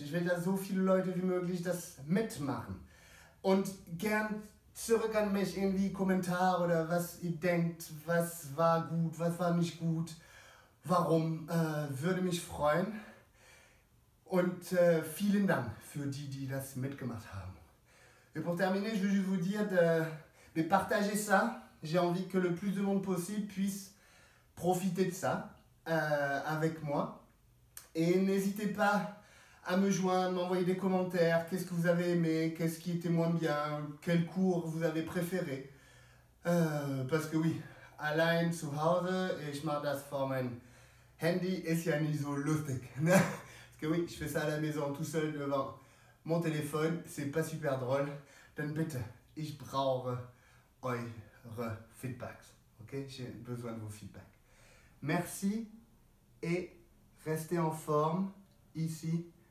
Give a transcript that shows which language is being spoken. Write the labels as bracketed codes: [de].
[de] Ich will, dass so viele Leute wie möglich das mitmachen. Und gern zurück an mich irgendwie Kommentare oder was ihr denkt, was war gut, was war nicht gut, warum, würde mich freuen. Und vielen Dank für die, die das mitgemacht haben. [fr] Et pour terminer, je vais vous dire de partager ça. J'ai envie que le plus de monde possible puisse profiter de ça avec moi. Et n'hésitez pas à me joindre, m'envoyer des commentaires. Qu'est-ce que vous avez aimé? Qu'est-ce qui était moins bien? Quel cours vous avez préféré? Parce que oui, [de] allein zu Hause, ich mache das vor mein Handy, ist ja nicht so lustig. [fr] Parce que oui, je fais ça à la maison, tout seul devant mon téléphone, c'est pas super drôle. [de] Dann bitte, ich brauche eure Feedbacks. [fr] Ok, j'ai besoin de vos feedbacks. Merci et restez en forme ici.